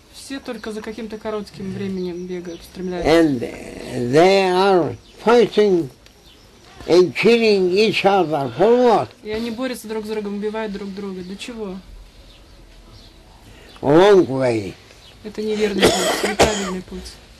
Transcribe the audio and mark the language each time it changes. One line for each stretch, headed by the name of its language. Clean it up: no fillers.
Russian: Все только за каким-то коротким временем бегают, стремляются.
English: And they are fighting and killing each other for what?
Russian: И они борются друг с другом, убивают друг друга. Для чего?
English: Long way.
Russian: Это неверный путь, неправильный путь.